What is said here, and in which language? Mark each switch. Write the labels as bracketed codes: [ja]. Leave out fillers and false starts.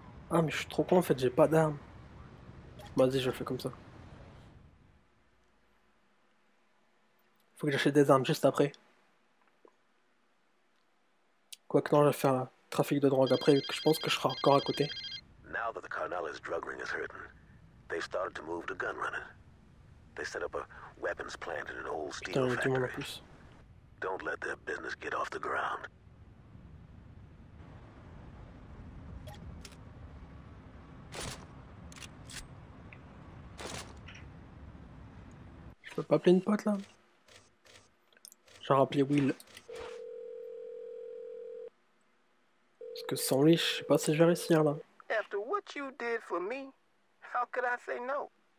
[fr] Ah, mais je suis trop con en fait, j'ai pas d'armes. Vas-y, je le fais comme ça. Faut que j'achète des armes juste après. Quoique, non, je vais faire un trafic de drogue après, je pense que je serai encore à côté. [en] Now that the Carnales drug ring is hurting, they've started to move to gun running. They set up a weapons plant in an old steel factory. Don't let their business get off the ground. [fr] Je peux pas appeler une pote là? Je vais rappeler Will. Parce que sans lui, je sais pas si je vais réussir là. [en] After what you did for me, how could I say no?